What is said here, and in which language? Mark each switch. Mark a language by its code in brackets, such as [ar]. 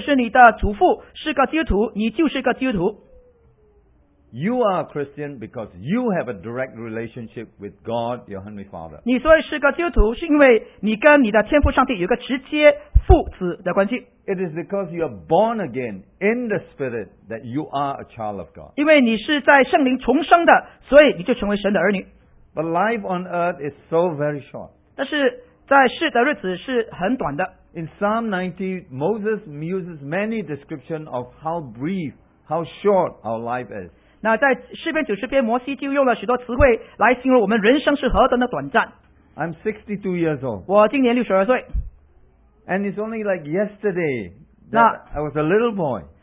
[zh] 你不能够因为你的父亲或者是你的祖父是个基督徒, 你就是个基督徒。 [en] You are a Christian because you have a direct relationship with God, your Heavenly Father. [zh] 你所以是个基督徒, 是因为你跟你的天父上帝有个直接父子的关系。 [en] It is because you are born again in the Spirit that you are a child of God. [zh] 因为你是在圣灵重生的, 所以你就成为神的儿女。 [en] But life on earth is so very short. [zh] 但是在世的日子是很短的。 [en] In Psalm 90, Moses uses many descriptions of how brief, how short our life is. [zh] 那在诗篇90篇, 摩西就用了许多词汇来形容我们人生是何等的短暂。 [en] I'm 62 years old. [zh] 我今年62岁。 [en] And it's only like yesterday that I was a little boy.